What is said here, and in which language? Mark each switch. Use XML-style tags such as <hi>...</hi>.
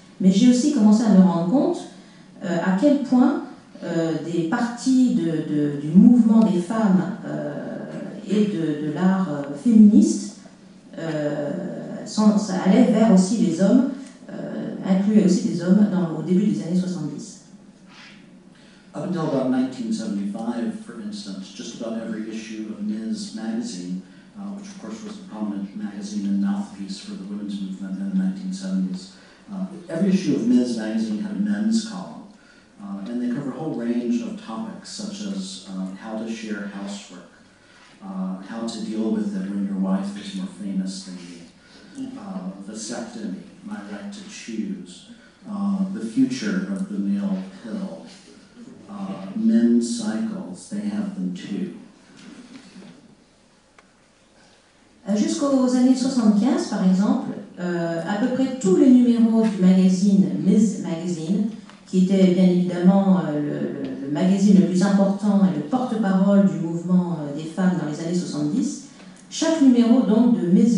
<fr>mais j'ai aussi commencé à me rendre compte à quel point des parties du mouvement des femmes et de l'art féministe allaient vers aussi les hommes, inclus inclut aussi des hommes dans, au début des années 70.</fr> <en>Up until about 1975, for instance, just about every issue of Ms. magazine, which of course was a prominent magazine and mouthpiece for the women's movement in the 1970s, every issue of Ms. magazine had a men's column, and they covered a whole range of topics, such as how to share housework, how to deal with it when your wife is more famous than you, vasectomy, my right to choose, the future of the male pill, men's cycles, they have them too.</en> <fr>Jusqu'aux années 75, par exemple, à peu près tous les numéros du magazine Ms. Magazine, qui était bien évidemment le magazine le plus important et le porte-parole du mouvement des femmes dans les années 70, chaque numéro donc de Ms.</fr>